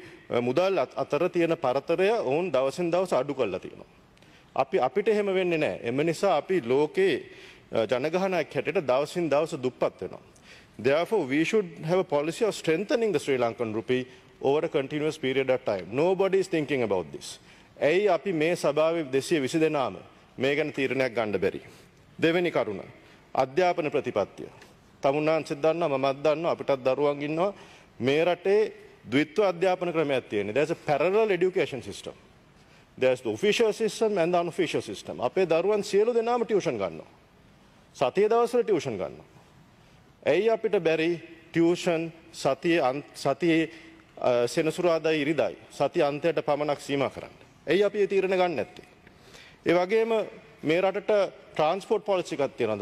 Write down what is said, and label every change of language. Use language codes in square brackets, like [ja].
[si] මුදල් අතර තියෙන පරතරය ඔවුන් දවසින් දවස අඩු කරලා තියෙනවා. අපි අපිට එහෙම වෙන්නේ නැහැ. එම නිසා අපි ලෝකේ ජනගහනයක් හැටියට දවසින් දවස දුප්පත් වෙනවා. [en] Therefore, we should have a policy of strengthening the Sri Lankan rupee over a continuous period of time. Nobody is thinking about this. [si] ඇයි අපි මේ සභාවේ 229 මේ ගැන තීරණයක් ගන්න බැරි? දෙවෙනි කරුණ අධ්‍යාපන ප්‍රතිපත්තිය. තමුන්නාන්සේ දන්නවා මමත් දන්නවා අපිටත් දරුවන් ඉන්නවා මේ රටේ ද්විත්ව අධ්‍යාපන ක්‍රමයක් තියෙනවා. [en] There's a parallel education system. There's the official system and the unofficial system. [si] අපේ දරුවන් සියලු දෙනාම ටියුෂන් ගන්නවා. සතිය දවස්වල ටියුෂන් ගන්නවා. ඇයි අපිට බැරි ටියුෂන් සතියේ සෙනසුරාදා ඉරිදායි සතිය අන්තයට පමණක් සීමා කරන්න? ඇයි අපි ඒ තීරණ ගන්න නැත්තේ? ඒ වගේම මේ රටට ට්‍රාන්ස්පෝර්ට් පොලිසි එකක් තියෙනවද?